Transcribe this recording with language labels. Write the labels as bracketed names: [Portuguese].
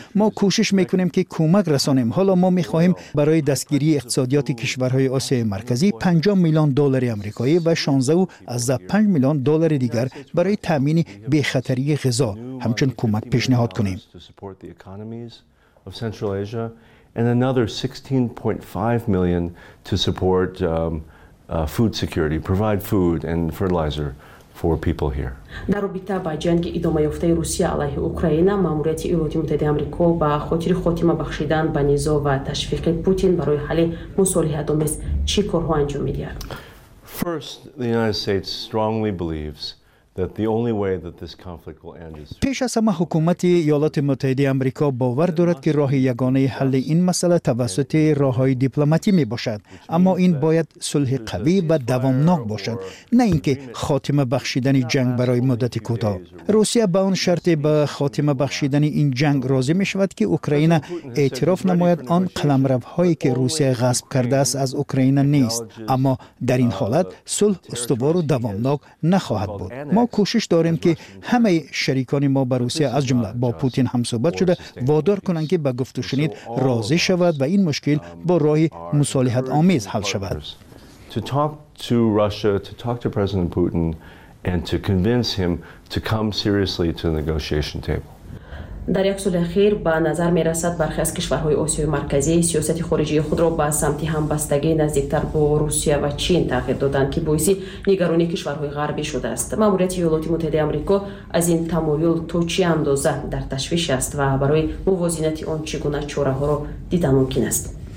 [Persian] ما کوشش میکنیم که کمک رسانیم. حالا ما میخواهیم برای دستگیری اقتصادیات کشورهای آسیای مرکزی 5 میلیون دلار آمریکایی و 16.5 میلیون دلار دیگر برای تامین بی‌خطری غذا همچون کمک پیشنهاد کنیم. [English] And another 16.5 million to support food security, provide food and fertilizer for people here. [Persian] در رابطه با جنگ ادامه یافته روسیه علیه اوکراین، ماموریت ایالات متحده آمریکا با خاطر خاتمه بخشیدن به نزاع و تشویق پوتین برای حل مصالحه دامس چی کارها انجام می‌دهد؟ [English] First, the United States strongly believes that the only way that this conflict will end is [Persian] پیش از همه حکومت ایالات متحده آمریکا باور دارد که راه یگانه حل این مسئله توسط راه‌های دیپلماتی میباشد، اما این باید صلح قوی و دوامناک باشد، نه اینکه خاتمه بخشیدن جنگ برای مدت کوتاه. روسیه به آن شرط به خاتمه بخشیدن این جنگ راضی میشود که اوکراین اعتراف نماید آن قلمروهایی که روسیه غصب کرده است از اوکراین نیست، اما در این حالت صلح استوار و دوامناک نخواهد بود. ما کوشش داریم که همه شریکان ما به روسیه از جمله با پوتین هم صحبت شده وادار کنند که به گفت و شنید راضی شود و این مشکل با راه مصالحت آمیز حل شود. [English] To talk to Russia, to talk to President Putin and to convince him to come seriously to the negotiation table. [Persian] در یک سال اخیر به نظر می رسد برخی از کشورهای آسیای مرکزی سیاست خارجی خود را به سمت همبستگی نزدیکتر با روسیه و چین تغییر دادند که باعث نگرانی کشورهای غربی شده است. ماموریت ایالات متحده آمریکا از این تمایل تا چه اندازه در تشویش است و برای موازنت آن چگونه چاره ها را دیده ممکن است؟